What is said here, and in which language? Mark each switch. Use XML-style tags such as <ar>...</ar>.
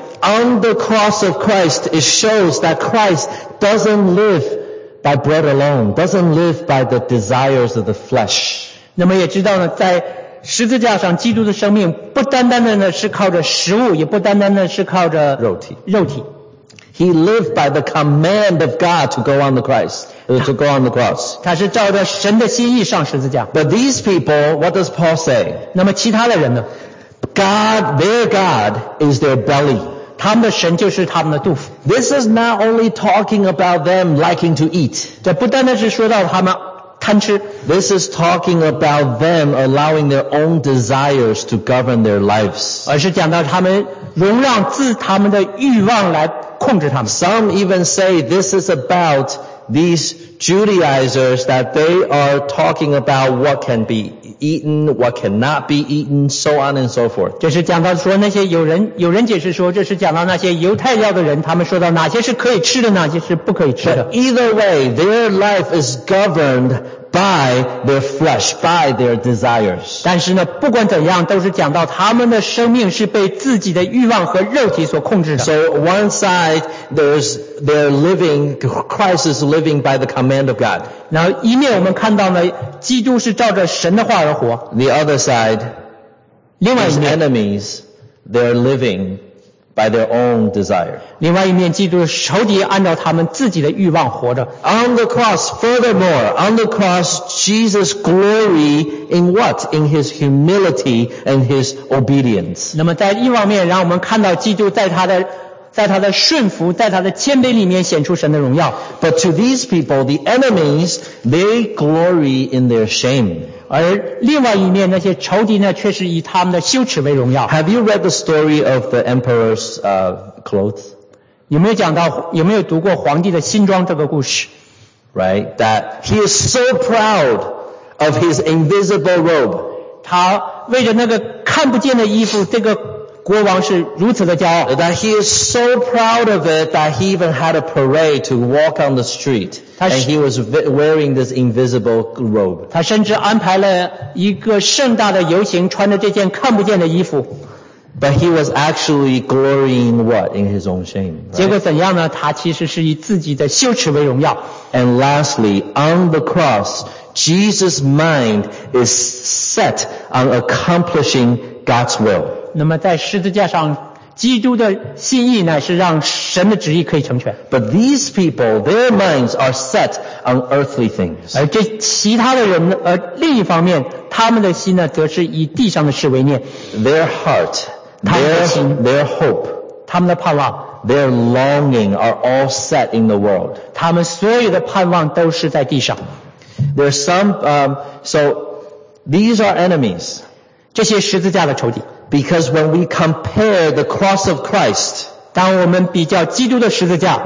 <en>on the cross of Christ, it shows that Christ doesn't liveby bread alone, doesn't live by the desires of the flesh.</en> <zh>那么也知道呢，在十字架上基督的生命不单单的是靠着食物，也不单单的是靠着肉体。</zh> <en>He lived by the command of God to go on the cross.</en> <zh>他是照着神的心意上十字架。</zh> <en>But these people, what does Paul say?</en> <zh>那么其他的人呢？</zh> <en>God, their God is their belly.</en> <zh>他们的神就是他们的肚腹。</zh> <en>This is not only talking about them liking to eat.</en> <zh>这不单单是说到他们贪吃。</zh> <en>This is talking about them allowing their own desires to govern their lives.</en> <zh>而是讲到他们容让自他们的欲望来控制他们。</zh> <en>Some even say this is about these Judaizers that they are talking about what can be eaten, what cannot be eaten, so on and so forth.</en> <zh>这是讲到说那些有人解释说这是讲到那些犹太教的人，他们说到哪些是可以吃的，哪些是不可以吃的。</zh> <en>But either way, their life is governed by their flesh, by their desires.</en> <zh>但是呢，不管怎样，都是讲到他们的生命是被自己的欲望和肉体所控制的。</zh> <en>So one side, they're living, Christ is living by the command of God.</en> <zh>然后一面我们看到呢，基督是照着神的话而活。</zh> <en>The other side,</en> <zh>另外一面</zh> <en>his enemies, they're living by their own desire.</en> <zh>另外一面，基督的仇敌按照他们自己的欲望活着。</zh> <en>On the cross, furthermore, on the cross, Jesus glory in what? In his humility and his obedience.</en> <zh>那么在一方面，让我们看到基督在他的顺服，在他的谦卑里面显出神的荣耀。</zh> <en>But to these people, the enemies, they glory in their shame.</en> <zh>而另外一面，那些仇敌呢，却是以他们的羞耻为荣耀。</zh> <en>Have you read the story of the emperor's clothes?</en> <zh>有没有读过皇帝的新装这个故事？</zh> <en>Right, that he is so proud of his invisible robe.</en> <zh>他为着那个看不见的衣服，这个国王是如此的骄傲。</zh> <en>That he is so proud of it that he even had a parade to walk on the street. And he was wearing this invisible robe.</en> <zh>他甚至安排了一个盛大的游行，穿着这件看不见的衣服。</zh> <en>But he was actually glorying what? In his own shame.、Right?</en> <zh>结果怎样呢？他其实是以自己的羞耻为荣耀。</zh> <en>And lastly, on the cross, Jesus' mind is set on accomplishing God's will.</en> <zh>那么在十字架上，基督的心意呢，是让神的旨意可以成全。</zh> <en>But these people, their minds are set on earthly things.</en> <zh>而这其他的人，而另一方面，他们的心呢，则是以地上的事为念。</zh> <en>Their heart, their hope,</en> <zh>他们的盼望</zh> <en>Their longing are all set in the world.</en> <zh>他们所有的盼望都是在地上。</zh> <en>There's some, so these are enemies.</en> <zh>这些十字架的仇敌。</zh> <en>Because when we compare the cross of Christ,</en> <zh>当我们比较基督的十字架</zh>